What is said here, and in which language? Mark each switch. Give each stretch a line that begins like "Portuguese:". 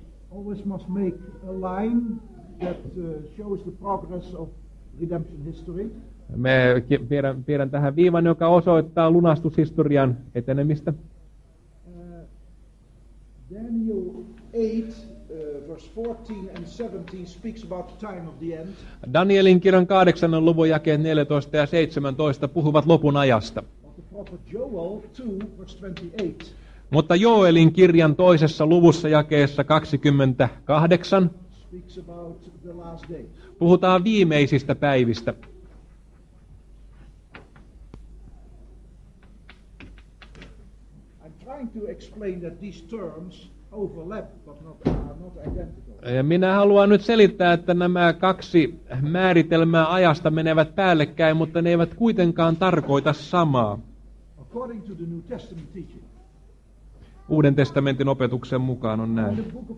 English: Always must make a line that shows the progress of redemption history.
Finnish: Me piirrän tähän viivan, joka osoittaa lunastushistorian etenemistä.
English: Daniel 8 verse 14 and 17 speaks about the time of the end.
Finnish: Danielin kirjan 8. luvun jakeet 14 ja 17 puhuvat lopun ajasta.
English: But the prophet Joel 2 verse 28.
Finnish: Mutta Joelin kirjan toisessa luvussa jakeessa 28
English: speaks about the last days.
Finnish: Puhutaan viimeisistä päivistä.
English: I'm trying to explain that these terms overlap but not identical.
Finnish: Ja minä haluan nyt selittää, että nämä kaksi määritelmää ajasta menevät päällekkäin, mutta ne eivät kuitenkaan tarkoita samaa.
English: According to the New Testament teaching.
Finnish: Uuden testamentin opetuksen mukaan on näin.